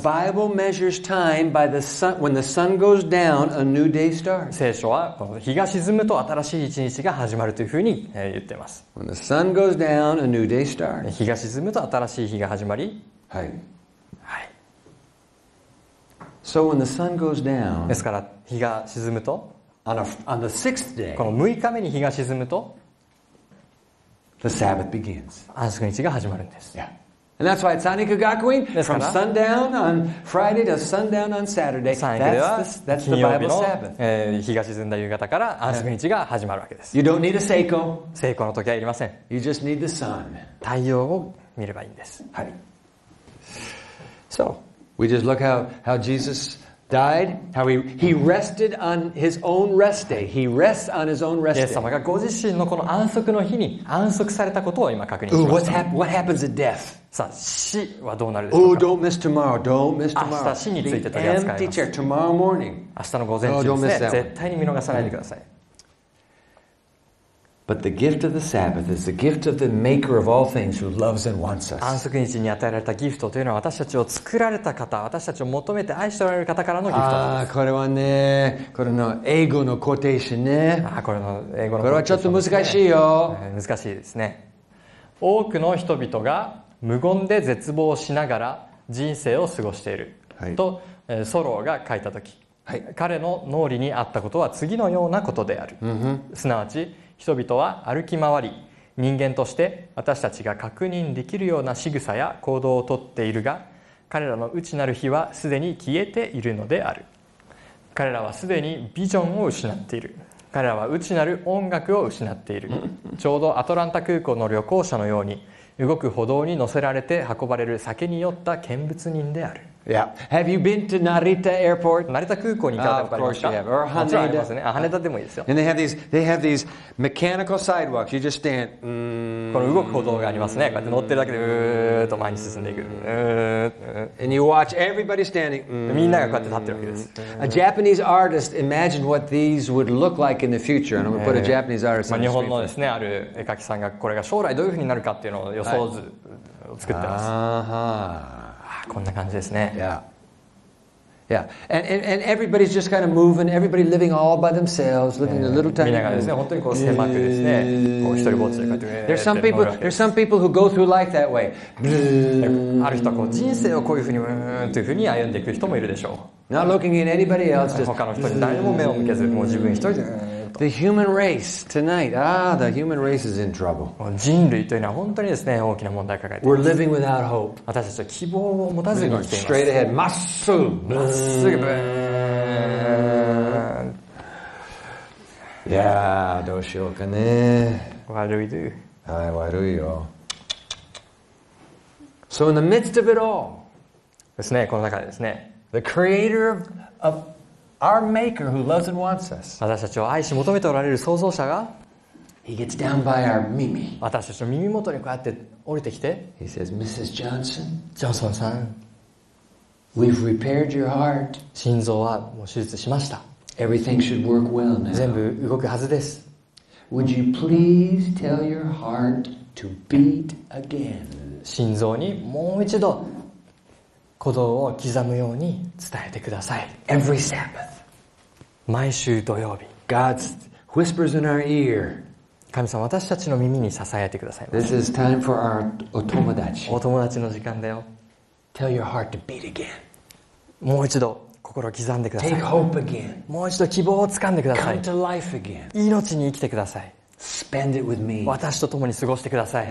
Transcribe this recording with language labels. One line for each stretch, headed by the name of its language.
English: The Bible measures time by the sun. When the sun goes down, a new day starts.
Japanese: 聖書はこの日が沈むと新しい一日が始まるというふうに言っています。
English: When the sun goes down, a new day starts.
Japanese: 日が沈むと新しい日が始まり。はい。はい。
English: So when the sun goes down.
Japanese: ですから日が沈むと。
English: On the sixth day.
Japanese: この6日目に日が沈むと。
English: The Sabbath begins.
Japanese: 安息日が始まるんです。
English: Yeah. And that's why at Sanriku Gakuin, from sundown on Friday to sundown on Saturday, that's the Bible Sabbath. You don't need a seiko.
Japanese: Seiko の時はいりません。
English: You just need the sun.
Japanese: 太陽を見ればいいんです。はい。
English: So, we just look how Jesus died, how he rested on his own rest day. He rests on his own rest day.
Japanese: イエス様がご自身のこの安息の日に安息されたことを今確認しました。
English: What happens at death?
Japanese: さあ死はどうなるでしょうか。
English: Oh, don't miss tomorrow. Don't miss tomorrow.
Japanese: 明日死について取り扱います。
English: Empty chair tomorrow morning.
Japanese: 明日の午前中ですね。絶対に見逃さないでください。
English: But the gift of the Sabbath is the gift of the Maker of all things who loves and wants us.
Japanese: 安息日に与えられたギフトというのは私たちを作られた方、私たちを求めて愛しておられる方からのギフトです。ああ、これはね、これの英語のコーテーションね。ああ、これの英語のこれはちょっと難しいよ。難しいですね。多くの人々が無言で絶望しながら人生を過ごしていると、はい、ソローが書いた時、はい、彼の脳裏にあったことは次のようなことである、うん、すなわち人々は歩き回り人間として私たちが確認できるような仕草や行動をとっているが彼らの内なる火はすでに消えているのである。彼らはすでにビジョンを失っている。彼らは内なる音楽を失っている。ちょうどアトランタ空港の旅行者のように動く歩道に乗せられて運ばれる酒に酔った見物人である。
English: Yeah. Have you been to Narita Airport?
Japanese: 成田空港に行ったことありますか?
English: Of course you have. Or Haneda.
Japanese: もちろんありますね。羽田でもいいですよ。
English: And they have these mechanical sidewalks. You just stand.
Japanese: この動く歩道がありますね。こうやって乗ってるだけでうーっと前に進んでいく。
English: And you watch everybody standing.
Japanese: みんながこうやって立ってるわけです。
English: A Japanese artist imagined what these would look like in the future. And I'm going to put a Japanese artist in the screen.
Japanese: 日本のですね、ある絵描きさんがこれが将来どういうふうになるかっていうのを予想図を作ってます。
English: Aha.
Japanese: こんな感じですね。
English: Yeah. Yeah. And everybody's just kind of moving, everybody living all by themselves, living in a little tiny.
Japanese: みんながですね、本当にこう狭くですね、こう一人ぼっちでこうやって。
English: There's some people who go through life that way.
Japanese: ある人はこう人生をこういうふうに、というふうに歩んでいく人もいるでしょう。
English: Not looking at anybody else, just
Japanese: 他の人に誰も目を向けず、もう自分一人で。
English: The human race tonight. Ah, the human race is in trouble.
Japanese: 人類というのは本当にですね、大きな問題抱えています
English: 。 We're living without hope.
Japanese: 私たちは希望を持たずに生きています。
English: Straight ahead,
Japanese: まっすぐ、まっすぐ、ブーン。 Yeah, どうしようかね。悪いで。はい、悪いよ。
English: So in the midst of it all,
Japanese: ですね、この中でですね、
English: the creator of Our Maker who loves and wants us.
Japanese: 私たちを愛し求めておられる創造者が
English: He gets down by our
Japanese: 耳私たちの耳元にこうやって降りてきて
English: He says, Mrs. Johnson,
Japanese: ジョンソンさん
English: We've repaired your heart.
Japanese: 心臓はもう手術しました。
English: Everything should work well now.
Japanese: 全部動くはずです。
English: Would you please tell your heart to beat again?
Japanese: 心臓にもう一度鼓動を刻むように伝えてください。
English: Every Sabbath.
Japanese: 毎週土曜日。
English: God whispers in our ear.
Japanese: 神様、私たちの耳に囁いてください。
English: This is time for our
Japanese: お友達。お友達の時間だよ。
English: Tell your heart to beat again.
Japanese: もう一度心を刻んでください。
English: Take hope again.
Japanese: もう一度希望をつかんでください。
English: Come to life again.
Japanese: 命に生きてください。
English: Spend it with me.
Japanese: 私と共に過ごしてください。